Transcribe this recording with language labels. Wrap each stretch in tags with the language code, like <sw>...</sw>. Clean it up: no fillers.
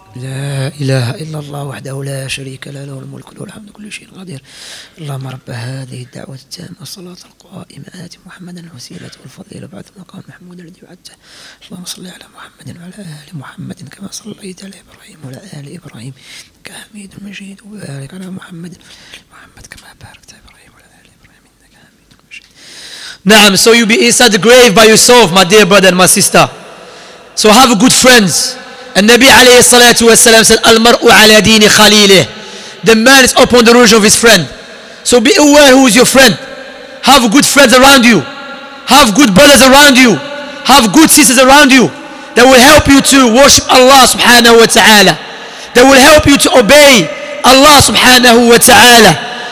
<ar>لا إله إلا الله وحده لا شريك له له الملك له الحمد كل شيء قدير اللهم رب هذه الدعوة التامة الصلاة القائمة آت محمدا الوسيلة والفضيلة بعد المقام محمود الذي وعدته اللهم صل على محمد وعلى آل محمد كما صليت على إبراهيم وعلى آل إبراهيم إنك حميد مجيد وبارك على محمد وعلى محمد كما باركت على إبراهيم وعلى آل إبراهيم إنك حميد مجيد.</ar> <en>نعم, so you be inside the grave by yourself, my dear brother and my sister. So have good friends.</en> <ar>النبي عليه الصلاة والسلام said, المرء على دين خليله.</ar> <en>The man is upon the religion of his friend. So be aware who is your friend. Have good friends around you. Have good brothers around you. Have good sisters around you that will help you to worship Allah subhanahu wa ta'ala. That will help you to obey Allah subhanahu wa ta'ala.</en>